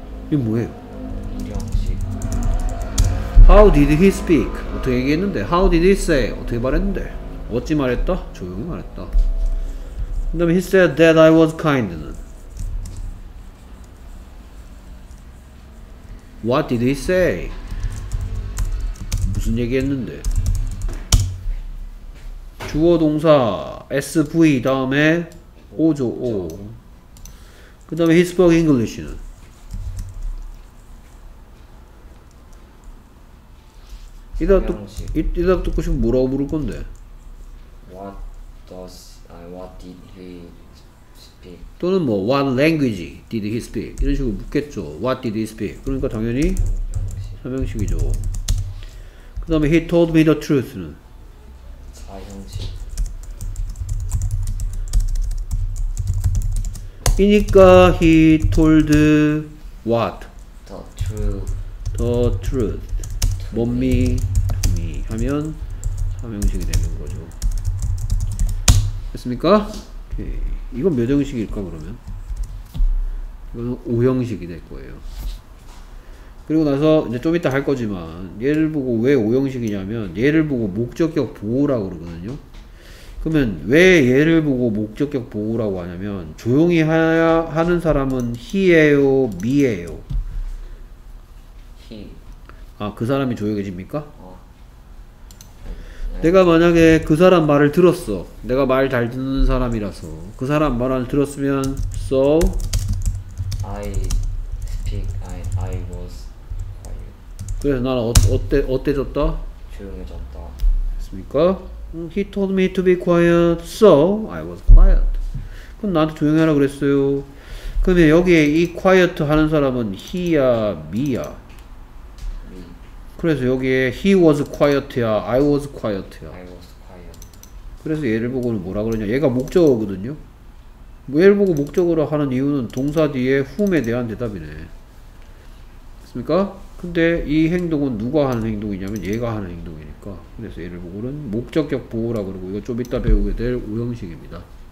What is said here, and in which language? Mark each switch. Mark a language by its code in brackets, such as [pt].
[ko] 이 뭐예요? 일형식. [en] How did he speak? [ko] 어떻게 얘기했는데? [en] How did he say? [ko] 어떻게 말했는데? 어찌 말했다? 조용히 말했다. 그럼 [en] he said that I was kind는? What did he say? [ko] 무슨 얘기했는데? 주어 동사 SV 다음에 O죠 O. 그 다음에 [en] he spoke English는? [ko] 이답 듣고 싶으면 뭐라고 물을 건데? [en] What does, what did he speak? 또는 뭐 what language did he speak? [ko] 이런 식으로 묻겠죠. [en] What did he speak? [ko] 그러니까 당연히 삼형식이죠. 그 다음에 [en] he told me the truth는? [ko] 사형식. 이니까 [en] he told what? The truth. The truth. [ko] 뭡니? 하면 삼형식이 되는 거죠. 됐습니까? 오케이. 이건 몇 형식일까 그러면? 이거는 5형식이 될 거예요. 그리고 나서 이제 좀 이따 할 거지만 얘를 보고 왜 5형식이냐면 얘를 보고 목적격 보호라고 그러거든요. 그러면 왜 얘를 보고 목적격 보호라고 하냐면 조용히 해야 하는 사람은 he예요, me예요. he. 아, 그 사람이 조용해집니까? 내가 만약에 그 사람 말을 들었어. 내가 말 잘 듣는 사람이라서 그 사람 말을 들었으면 so [en] I speak I was quiet. [ko] 그래서 나는 어때졌다? 조용해졌다. 됐습니까? [en] He told me to be quiet. So I was quiet. [ko] 그럼 나한테 조용해라 그랬어요. 그러면 여기에 이 quiet 하는 사람은 he야, me야? 그래서 여기에 [en] he was quiet야, I was quiet야. I was quiet. [ko] 그래서 얘를 보고는 뭐라 그러냐? 얘가 목적어거든요. 뭐 얘를 보고 목적으로 하는 이유는 동사 뒤에 whom에 대한 대답이네. 됐습니까? 근데 이 행동은 누가 하는 행동이냐면 얘가 하는 행동이니까. 그래서 얘를 보고는 목적격 보호라 그러고 이거 좀 이따 배우게 될 5형식입니다.